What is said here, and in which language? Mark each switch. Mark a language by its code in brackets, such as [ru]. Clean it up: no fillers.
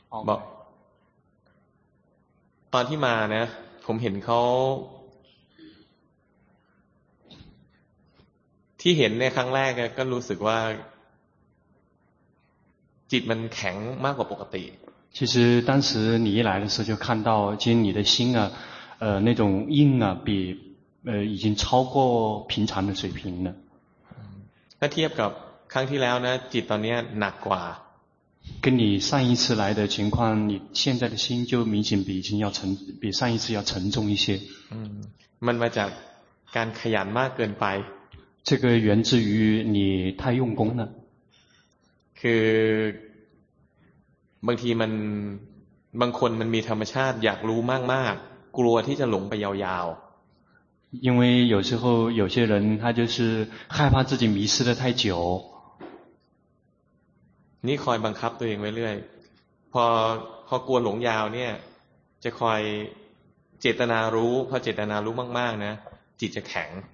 [th] บอกตอนที่มานะผมเห็นเขาที่เห็นในครั้งแรกก็รู้สึกว่าจิตมันแข็งมากกว่าปกติ [zh] 其实当时你一来的时候就看到其实你的心啊那种硬啊比已经超过平常的水平了 [th] ถ้าเทียบกับครั้งที่แล้วนะจิตตอนนี้หนักกว่า [zh] 跟你上一次来的情况你现在的心就明显比已经要沉比上一次要沉重一些 [th] มันมาจากการขยันมากเกินไป [zh] 这个源自于你太用功了 [th] คือบางทีมันบางคนมันมีธรรมชาติอยากรู้มากมากกลัวที่จะหลงไปยาวๆ [zh] 因为有时候有些人他就是害怕自己迷失的太久 [th] นี่คอยบังคับตัวเองไว้เรื่อยพอกลัวหลงยาวเนี่ยจะคอยเจตนารู้พอเจตนารู้มากๆนะจิตจะแข็ง